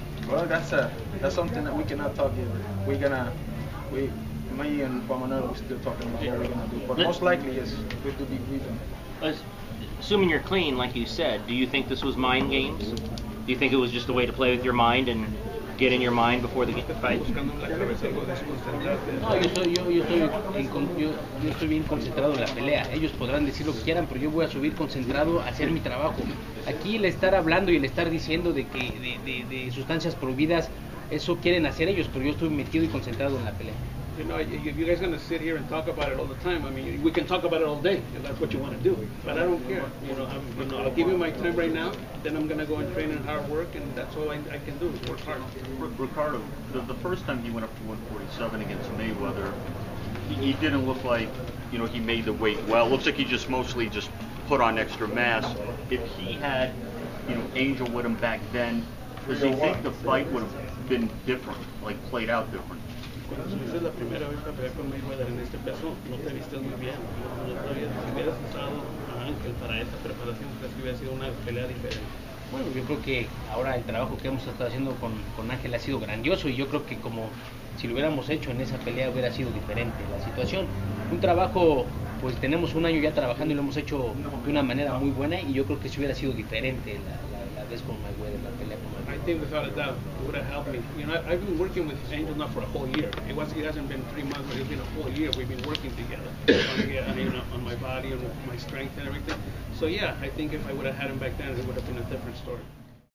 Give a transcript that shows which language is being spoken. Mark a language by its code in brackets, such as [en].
[en] Well, that's something that we cannot talk yet. Me and Juan Manuel are still talking about what we're going to do. But most likely, yes, we do be grieving. Assuming you're clean, like you said, do you think this was mind games? Do you think it was just a way to play with your mind and get in your mind before the fight? [es] No, yo estoy bien concentrado en la pelea. Ellos podrán decir lo que quieran, pero yo voy a subir concentrado a hacer mi trabajo. Aquí el estar hablando y el estar diciendo de sustancias prohibidas, eso quieren hacer ellos, pero yo estoy metido y concentrado en la pelea. [en] You know, if you guys are gonna sit here and talk about it all the time, I mean, we can talk about it all day if that's what you want to do. But I don't care. You know, I'll give you my time right now. Then I'm gonna go and train and hard work, and that's all I can do. Work hard. Ricardo, the first time he went up to 147 against Mayweather, he didn't look like, you know, he made the weight well. Looks like he just mostly just put on extra mass. If he had, you know, Angel with him back then, does he think the fight would have been different, like played out different? [es] Esa es la primera vez que peleé con Mayweather en este peso, no te viste muy bien. Si hubieras usado a Ángel para esa preparación, creo que hubiera sido una pelea diferente. Bueno, yo creo que ahora el trabajo que hemos estado haciendo con Ángel ha sido grandioso y yo creo que como si lo hubiéramos hecho en esa pelea hubiera sido diferente la situación. Un trabajo, pues tenemos un año ya trabajando y lo hemos hecho de una manera muy buena y yo creo que si hubiera sido diferente la vez con Mayweather, la pelea con Mayweather. [en] I think without a doubt it would have helped me. You know, I've been working with Angel now for a whole year. It hasn't been 3 months, but it's been a whole year we've been working together. on my body and my strength and everything. So yeah, I think if I would have had him back then, it would have been a different story.